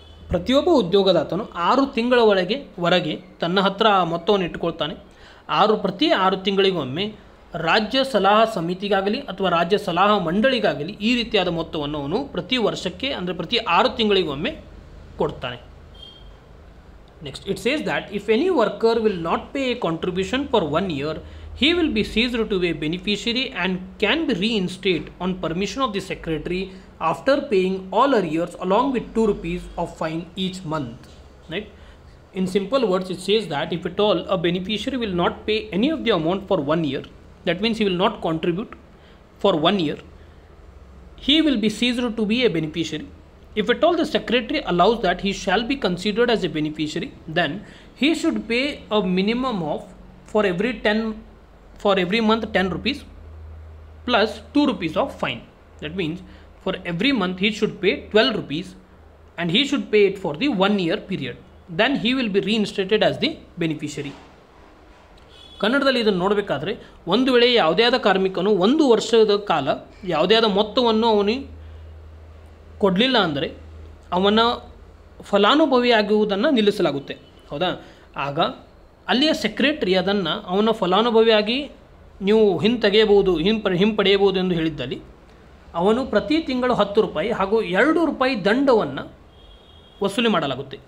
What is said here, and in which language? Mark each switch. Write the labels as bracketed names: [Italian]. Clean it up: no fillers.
[Kannada] ಪ್ರತಿಯೊಬ್ಬ ಉದ್ಯೋಗದಾತನು 6 ತಿಂಗಳ ಹೊರಗೆ ತನ್ನ ಹತ್ರ ಆ ಮೊತ್ತವನ್ನು ಇಟ್ಟುಕೊಳ್ತಾನೆ. ಪ್ರತಿ ಆರು ತಿಂಗಳಿಗೊಮ್ಮೆ ರಾಜ್ಯ ಸಲಹಾ ಸಮಿತಿಗಾಗಲಿ ಅಥವಾ ರಾಜ್ಯ ಸಲಹಾ ಮಂಡಳಿಗಾಗಲಿ ಈ ರೀತಿಯಾದ ಮೊತ್ತವನ್ನು ಅವನು ಪ್ರತಿ ವರ್ಷಕ್ಕೆ, ಅಂದರೆ ಪ್ರತಿ 6 ತಿಂಗಳಿಗೊಮ್ಮೆ ಕೊಡ್ತಾನೆ. [English] Next it says that if any worker will not pay a contribution for 1 year, he will be seized to a beneficiary and can be reinstated on permission of the secretary after paying all arrears along with 2 rupees of fine each month. Right? In simple words, it says that if at all a beneficiary will not pay any of the amount for 1 year, that means he will not contribute for 1 year, he will be seized to be a beneficiary. If at all the secretary allows that he shall be considered as a beneficiary, then he should pay a minimum of for every month 10 rupees plus 2 rupees of fine. That means for every month he should pay 12 rupees and he should pay it for the 1 year period. Then he will be reinstated as the beneficiary. [Kannada] ಕನ್ನಡದಲ್ಲಿ ಇದನ್ನು ನೋಡಬೇಕಾದ್ರೆ, ಒಂದು ವೇಳೆ ಯಾವುದೇ ಆದ ಕಾರ್ಮಿಕನು 1 ವರ್ಷದ ಕಾಲ ಯಾವುದೇ ಆದ ಮೊತ್ತವನ್ನು ಅವನು ಕೊಡಲಿಲ್ಲ ಅಂದರೆ ಅವನ ಫಲಾನುಭವಿಯಾಗುವುದನ್ನು ನಿಲ್ಲಿಸಲಾಗುತ್ತೆ. ಹೌದಾ? ಆಗ ಅಲ್ಲಿಯ ಸೆಕ್ರೆಟ್ರಿ ಅದನ್ನು ಅವನ ಫಲಾನುಭವಿಯಾಗಿ ನೀವು ಹಿಂತೆಗೆಯಬಹುದು, ಹಿಂಪಡೆಯಬಹುದು ಎಂದು ಹೇಳಿದ್ದಲ್ಲಿ ಅವನು ಪ್ರತಿ ತಿಂಗಳು 10 ರೂಪಾಯಿ ಹಾಗೂ 2 ರೂಪಾಯಿ ದಂಡವನ್ನು ವಸೂಲಿ ಮಾಡಲಾಗುತ್ತೆ.